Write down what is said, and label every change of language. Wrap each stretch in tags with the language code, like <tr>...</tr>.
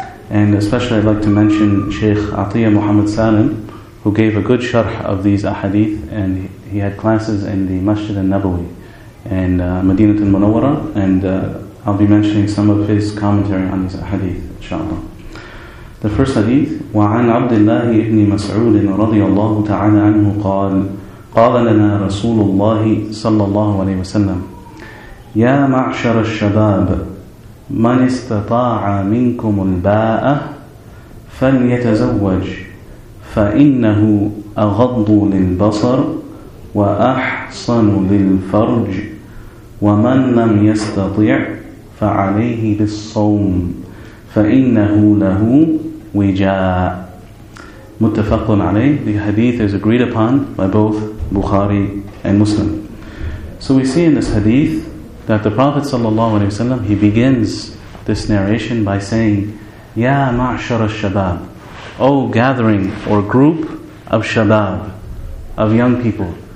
<en>And especially I'd like to mention Shaykh Atiyah Muhammad Salim, who gave a good sharh of these ahadith, and he had classes in the Masjid al-Nabawi and Madinat al-Munawwara, and I'll be mentioning some of his commentary on these ahadith inshallah. The first hadith,</en> <ar>وعن عبد الله بن مسعود رضي الله تعالى عنه قال قال لنا رسول الله صلى الله عليه وسلم يا معشر الشباب من استطاع منكم الباءة فليتزوج فإنه أغض للبصر وأحصن للفرج ومن لم يستطع فعليه بالصوم فإنه له وجاء. متفق عليه.</ar> <en>The hadith is agreed upon by both Bukhari and Muslim. So we see in this hadith that the Prophet ﷺ, he begins this narration by saying, Ya ma'shar al-shabab, O gathering or group of shabab, of young people.</en>